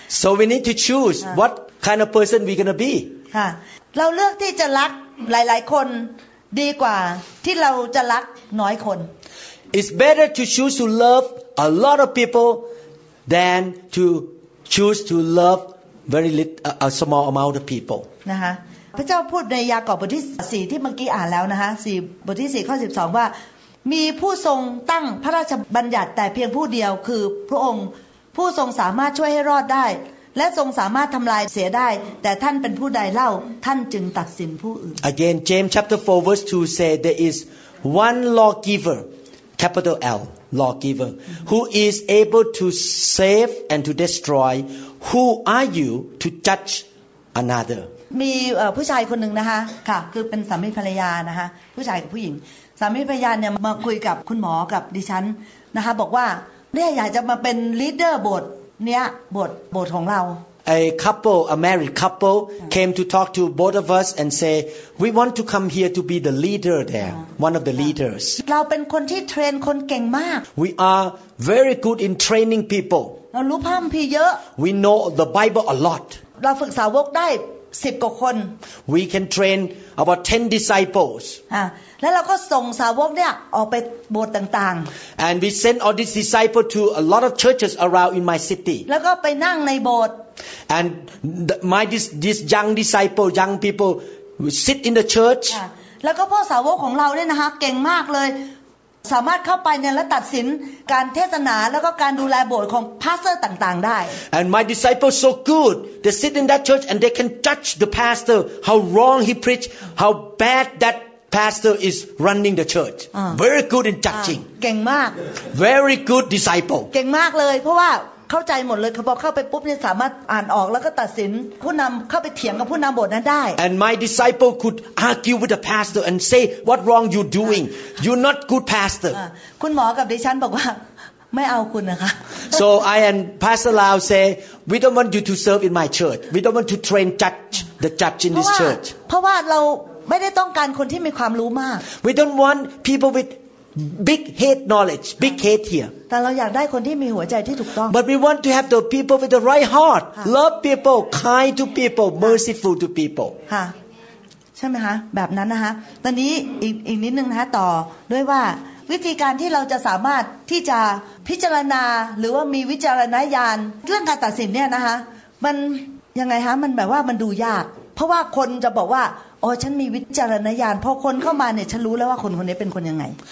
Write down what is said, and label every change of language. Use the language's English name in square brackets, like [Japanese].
[English] So we need to choose what kind of person we're gonna be [Thai] ค่ะเราเลือกที่จะรักหลายๆคนดีกว่าที่เราจะรักน้อยคน [English] It's better to choose to love a lot of people than to choose to love very little a small amount of people [Thai] นะคะ พระเจ้าพูดในยากอบบทที่4ที่เมื่อกี้อ่านแล้วนะฮะ4บทที่4ข้อ12ว่ามีผู้ทรงตั้งพระราชบัญญัติแต่เพียงผู้เดียวคือพระองค์ผู้ทรงสามารถช่วยให้รอดได้และทรงสามารถทำลายเสียได้แต่ท่านเป็นผู้ใดเล่าท่านจึงตัดสินผู้อื่น [English] Again James chapter 4 verse 2 say there is one lawgiver capital L lawgiver who is able to save and to destroy who are you to judge another [Thai] มีผู้ชายคนหนึ่งนะคะค่ะคือเป็นสามีภรรยานะคะผู้ชายกับผู้หญิงสามีภรรยาเนี่ยมาคุยกับคุณหมอกับดิฉันนะคะบอกว่าเนี่ยอยากจะมาเป็นลีดเดอร์โบสถ์เนี้ยโบสถ์ของเรา [English] A couple a married couple came to talk to both of us and say we want to come here to be the leader there one of the leaders [Thai] เราเป็นคนที่เทรนคนเก่งมาก [English] We are very good in training people [Thai] เรารู้พระคัมภีร์เยอะ [English] We know the Bible a lot [Thai] เราฝึกสาวกได้10กว่าคน [English] We can train about 10 disciples [Thai] แล้วเราก็ส่งสาวกเนี่ยออกไปโบสถ์ต่าง [English] ๆ And we send all these disciples to a lot of churches around in my city [Thai] แล้วก็ไปนั่งในโบสถ์ [English] And my this young disciple young people sit in the church [Thai] แล้วก็พวกสาวกของเราเนี่ยนะคะเก่งมากเลยสามารถเข้าไปเนี่ยและตัดสินการเทศนาแล้วก็การดูแลโบสถ์ของพาสเตอร์ต่างๆได้ [English] And my disciples so good they sit in that church and they can judge the pastor how wrong he preach how bad that pastor is running the church very good in judging [Thai] เก่งมาก [English] very good disciple [Thai] เก่งมากเลยเพราะว่าเข้าใจหมดเลยเขาบอกเข้าไปปุ๊บเนี่ยสามารถอ่านออกแล้วก็ตัดสินผู้นำเข้าไปเถียงกับผู้นำโบสถ์นั้นได้ [English] And my disciple could argue with the pastor and say what wrong you doing you're not good pastor [Thai] คุณหมอกับดิฉันบอกว่าไม่เอาคุณนะคะ [English] So I and Pastor Lau say we don't want you to serve in my church we don't want to train judge the judge in this church [Thai] เพราะว่าเราไม่ได้ต้องการคนที่มีความรู้มาก [English] We don't want people withBig head knowledge, big head here. [Thai] แต่เราอยากได้คนที่มีหัวใจที่ถูกต้อง [English] But we want to have the people with the right heart, love people, kind to people, merciful to people. [Thai] ค่ะใช่ไหมคะแบบนั้นนะคะตอนนี้อีกนิดนึงนะต่อด้วยว่าวิธีการที่เราจะสามารถที่จะพิจารณาหรือว่ามีวิจารณญาณเรื่องการตัดสินเนี่ยนะคะมันยังไงคะมันแบบว่ามันดูยากเพราะว่าคนจะบอกว่าโอ้ฉันมีวิจารณญาณพอคนเข้ามาเนี่ยฉันรู้แล้วว่าคนคนนี้เป็นคนยังไง